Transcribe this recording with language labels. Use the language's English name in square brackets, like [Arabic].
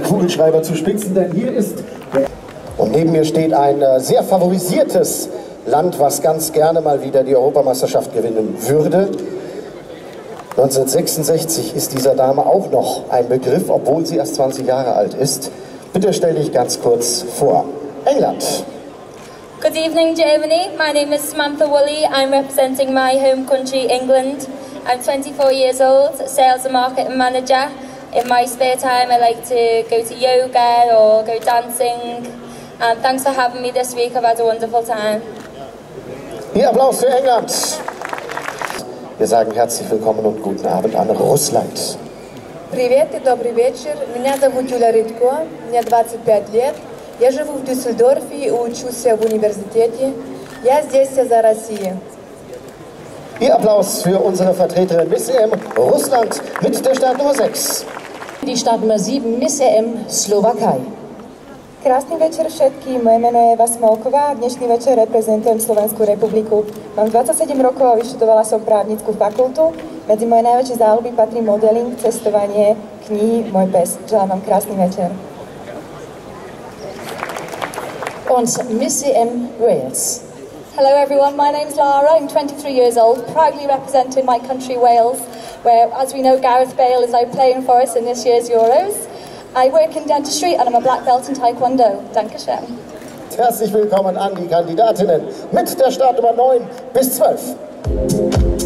[German] Kugelschreiber zu spitzen, denn hier ist... Und neben mir steht ein sehr favorisiertes Land, was ganz gerne mal wieder die Europameisterschaft gewinnen würde. 1966 ist dieser Dame auch noch ein Begriff, obwohl sie erst 20 Jahre alt ist. Bitte stell dich ganz kurz vor. England. [English] Good evening, Germany. My name is Samantha Woolley. I'm representing my home country, England. I'm 24 years old, sales and marketing manager. In my spare time, I like to go to yoga or go dancing. And thanks for having me this week. I've had a wonderful time. [German] Ja, Applaus für England. Wir sagen herzlich willkommen und guten Abend an Russland. [Russian] Привет и добрый вечер. Меня зовут Юля Рыдко. Мне 25 лет. Я живу в Дюссельдорфе и учусь в университете. Я здесь за Россию. [German] Ihr Applaus für unsere Vertreterin Miss EM Russland mit der Startnummer 6. Die Startnummer 7 Miss EM Slowakei. [Slovak] Krásny večer všetky, moje meno je Eva Smolková a dnešný večer reprezentujem Slovenskú republiku. Mám 27 rokov a vyštudovala som právnickú fakultu. Medzi moje najväčšie záľuby patrí modeling, cestovanie, knihy, môj pes. Želám vám krásny večer. [German] Und Miss EM Wales. [English] Hello everyone, my name is Lara, I'm 23 years old, proudly representing my country Wales, where, as we know, Gareth Bale is now playing for us in this year's Euros. I work in dentistry and I'm a black belt in Taekwondo. [German] Dankeschön. Herzlich willkommen an die Kandidatinnen mit der Startnummer 9 bis 12.